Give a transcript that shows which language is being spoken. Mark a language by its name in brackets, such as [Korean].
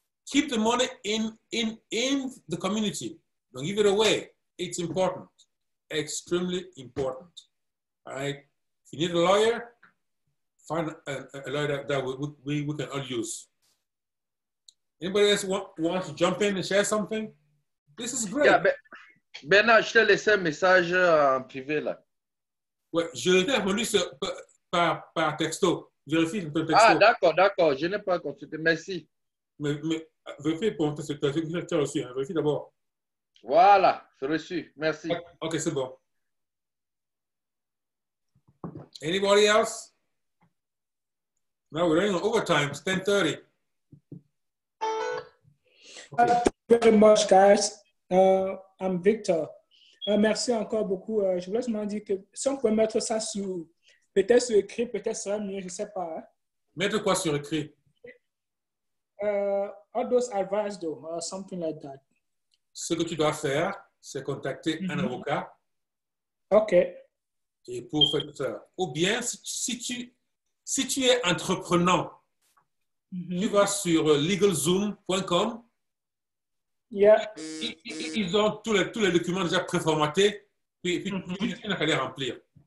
[English] Keep the money in the community. Don't give it away. It's important. Extremely important. All right? If you need a lawyer, find a lawyer that we can all use. Anybody else want to jump in and share something? This is great. Yeah, [French] Bernard, je te laisse un message en privé là. Ouais, je l'ai répondu par texto. Je vérifie ton texte. Ah, d'accord. Je n'ai pas consulté. Merci. Mais vérifie pour mon texte. Tu as vu que tu as reçu. Hein. Vérifie d'abord. Voilà, c'est reçu. Merci. OK, c'est bon. [English] Anybody else? No, we're running on overtime. It's 10:30. Okay. Thank you very much, guys. I'm Victor. [French] Merci encore beaucoup. Je voulais seulement dire que si on peut mettre ça sur... Peut-être sur écrit, peut-être sera mieux, je ne sais pas. Mettre quoi sur écrit? [English] All those advice, though, or something like that. [French] Ce que tu dois faire, c'est contacter un avocat. OK. Et pour faire ça. Ou bien, si tu es entreprenant, tu vas sur legalzoom.com. [English] Yeah. [French] Ils ont tous les documents déjà préformatés, puis tu n'as qu'à les remplir.